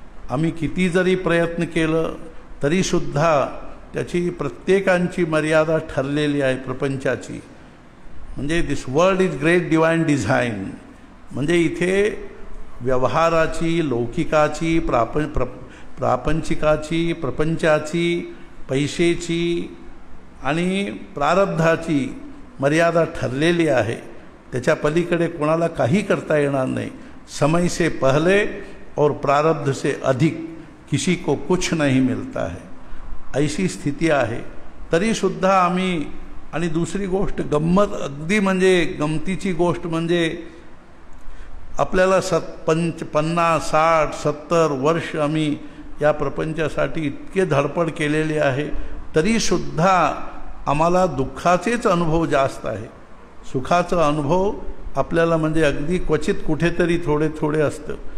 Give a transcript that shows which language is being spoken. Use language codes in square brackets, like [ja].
[mr] आम्ही किती जरी प्रयत्न केलं तरीसुद्धा त्याची प्रत्येकांची मर्यादा ठरलेली आहे प्रपंचाची, म्हणजे [en] this world is great divine design, [mr] म्हणजे इथे व्यवहाराची लौकिकाची प्रापंचिकाची प्रपंचाची पैशाची आणि प्रारब्धाची मर्यादा ठरलेली आहे, त्याच्या पलीकडे कोणाला काही करता येणार नाही। [hi] समय से पहले और प्रारब्ध से अधिक किसी को कुछ नहीं मिलता है, [mr] ऐशी स्थिती आहे। तरीसुद्धा आम्ही आणि दुसरी गोष्ट गंमत अगदी म्हणजे गमतीची गोष्ट म्हणजे आपल्याला 50, 60, 70 वर्ष आम्ही या प्रपंचासाठी इतके धडपड केलेले आहे तरीसुद्धा आम्हाला दुःखाचेच अनुभव जास्त आहे, सुखाचा अनुभव आपल्याला म्हणजे अगदी क्वचित कुठेतरी थोडे थोडे असतं।